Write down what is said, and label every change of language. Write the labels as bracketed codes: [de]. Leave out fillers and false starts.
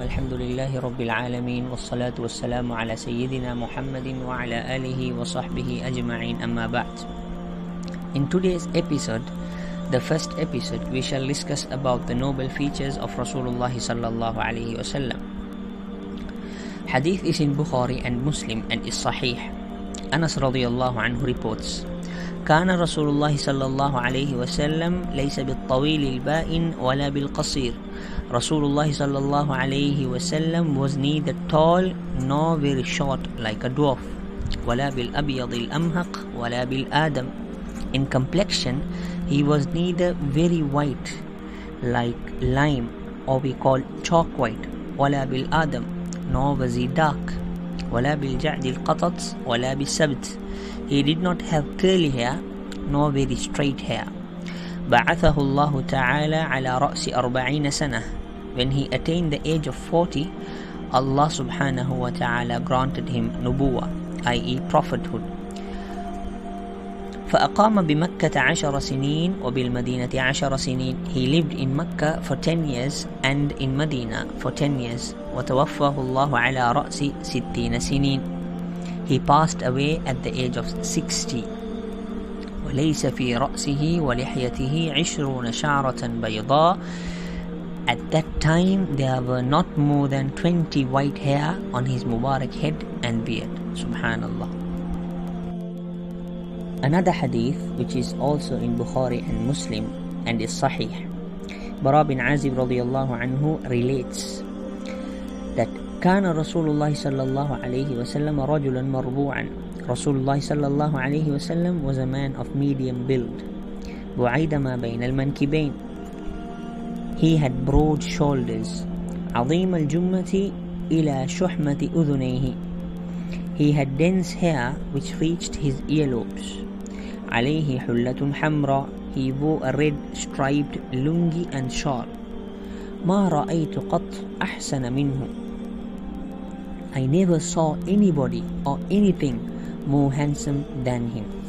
[ar] الحمد لله رب العالمين، والصلاة والسلام على سيدنا محمد وعلى آله وصحبه أجمعين، أما بعد. [en] In today's episode, the first episode, we shall discuss about the noble features of Rasulullah [ar] صلى الله عليه وسلم. [en] Hadith is in Bukhari and Muslim and is Sahih. [ar] Anas رضي الله عنه reports: كان رسول الله صلى الله عليه وسلم ليس بالطويل البائن ولا بالقصير. رسول الله صلى الله عليه وسلم [en] was neither tall nor very short like a dwarf. [ar] ولا بالأبيض الأمهق ولا بالآدم. [en] In complexion, he was neither very white like lime or we call chalk white. [ar] ولا بالآدم. [en] Nor was he dark. [ar] ولا بالجعد القطط ولا بالسبت. [en] He did not have curly hair nor very straight hair. [ar] بعثه الله تعالى على رأس 40 سنة. [en] When he attained the age of 40, Allah subhanahu wa ta'ala granted him nubuwa, i.e. prophethood. [ar] فأقام بمكة 10 سنين وبالمدينة 10 سنين. [en] He lived in Mecca for 10 years and in Medina for 10 years. [ar] وتوفاه الله على رأس 60 سنين. [en] He passed away at the age of 60. [ar] وليس في رأسه ولحيته 20 شعرة بيضاء. [en] At that time, there were not more than 20 white hair on his Mubarak head and beard. Subhanallah. Another hadith, which is also in Bukhari and Muslim, and is Sahih. [ar] Bara bin Azib radiyallahu anhu [en] relates that [ar] كان رسول الله صلى الله عليه وسلم رجلا مربوعا. رسول الله صلى الله عليه وسلم [en] was a man of medium build. [ar] بعيد ما بين المنكبين. [en] He had broad shoulders. [ar] عظيم الجمة إلى شحمة أذنيه. [en] He had dense hair which reached his earlobes. [ar] عليه حلة حمراء. [en] He wore a red striped lungi and shawl. [ar] ما رأيت قط أحسن منه. [en] I never saw anybody or anything more handsome than him.